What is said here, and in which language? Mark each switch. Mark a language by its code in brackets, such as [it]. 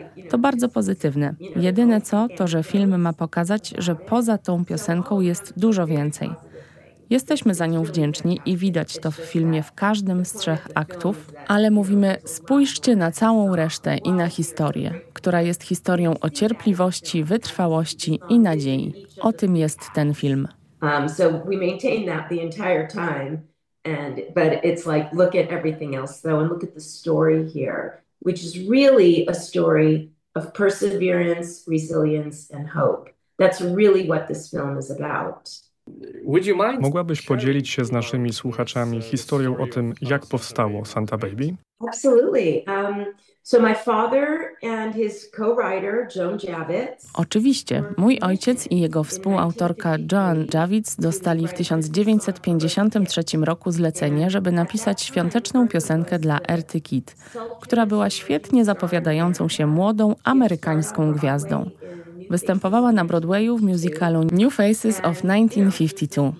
[pl] To bardzo pozytywne. Jedyne co, to że film ma pokazać, że poza tą piosenką jest dużo więcej. Jesteśmy za nią wdzięczni i widać to w filmie w każdym z trzech aktów, ale mówimy, spójrzcie na całą resztę i na historię, która jest historią o cierpliwości, wytrwałości i nadziei. O tym jest ten film. [en] So we maintain that the entire time, but it's like, look at everything else though, and look at the story here. Which is really a story of perseverance, resilience and hope. That's really what this film is about. Would you mind? [pl] Mogłabyś podzielić się z naszymi słuchaczami historią o tym, jak powstało Santa Baby? [en] Absolutely. So my father and his co-writer Joan Javits. [pl] Oczywiście, mój ojciec i jego współautorka Joan Javits dostali w 1953 roku zlecenie, żeby napisać świąteczną piosenkę dla Erty Kitt, która była świetnie zapowiadającą się młodą amerykańską gwiazdą. Występowała na Broadwayu w musicalu New Faces of 1952.